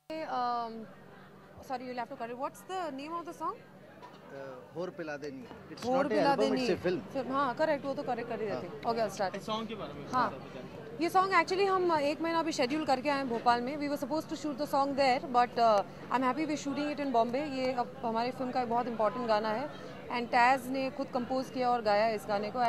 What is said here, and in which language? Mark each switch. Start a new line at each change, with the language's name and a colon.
English: Sorry, you'll have to cut it. What's the name of the song? Hor Pila Deni. It's Hor not an album, Deni. It's a film.
Hindi: हाँ, correct. वो तो correct कर ही देते.
English: Okay, I'll start.
Hindi: Song के बारे में. हाँ. ये song actually हम एक महीना अभी schedule करके आए हैं भोपाल में.
English: We were supposed to shoot the song there, but I'm happy we're shooting it in Bombay.
Hindi: ये अब हमारे film का एक बहुत important गाना है.
English: And
Hindi: Taz ने खुद compose किया और गाया इस गाने को.